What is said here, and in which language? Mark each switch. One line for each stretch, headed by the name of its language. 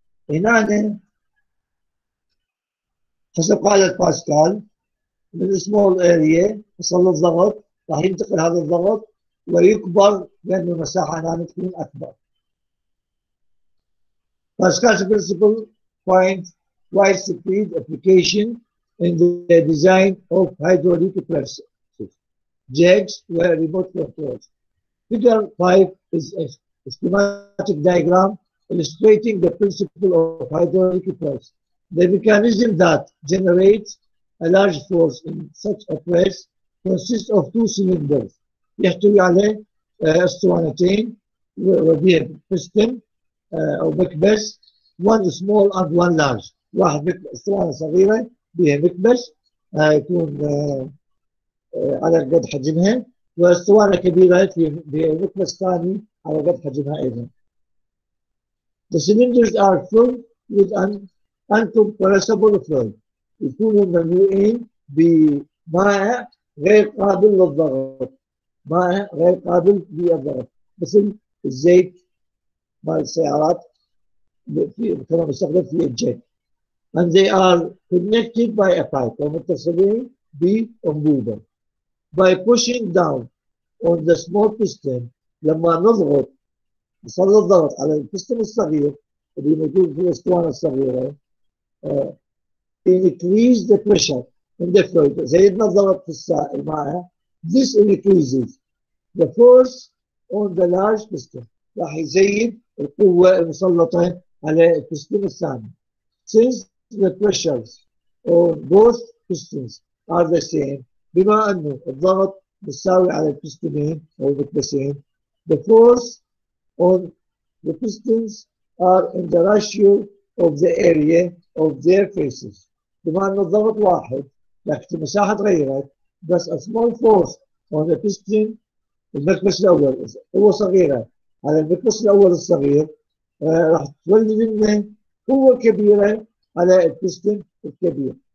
Arabic: هنا حسب قاعده باسكال من سمول اريا يصل الضغط راح ينتقل هذا الضغط ويكبر لان المساحه هنا تكون اكبر.
English: Pascal principle find wide spread application in the design of hydraulic press jacks وريموت controls. Figure 5 is a schematic diagram illustrating the principle of hydraulic press. The mechanism that generates a large force in such a press consists of two cylinders.
Arabic: يحتوي على اسطوانتين وبي بيستن او مكبس
English: one small and one large.
Arabic: واحد اسطوانه صغيره بها مكبس يكون على قد حجمها واسطوانه كبيره في مكبس ثاني على قد حجمها ايضا.
English: The cylinders are filled with an uncompressible fluid.
Arabic: يكونوا مملوئين بمائع غير قابل للضغط. مائع غير قابل للضغط مثل الزيت مال السيارات كما نستخدم في الجيت.
English: And they are connected by a pipe
Arabic: ومتصلين بانبوبه.
English: By pushing down on the small piston
Arabic: لما نضغط نسلط الضغط على البستم الصغير اللي موجود في الاسطوانه الصغيره
English: increase the pressure in the fluid
Arabic: زيدنا الضغط في السائل معها
English: this increases the force on the large piston
Arabic: راح يزيد القوه المسلطه على البستم الثاني.
English: Since the pressures on both pistons are the same
Arabic: بما انه الضغط مساوي على البستمين او المكبسين
English: the force on the pistons are in the ratio of the area of their faces.
Arabic: بما ان الضغط واحد لكن المساحه تغيرت بس
English: a small force on the piston
Arabic: المكبس الاول قوه صغيره على المكبس الاول الصغير راح تولد منه قوه كبيره على البستم الكبير.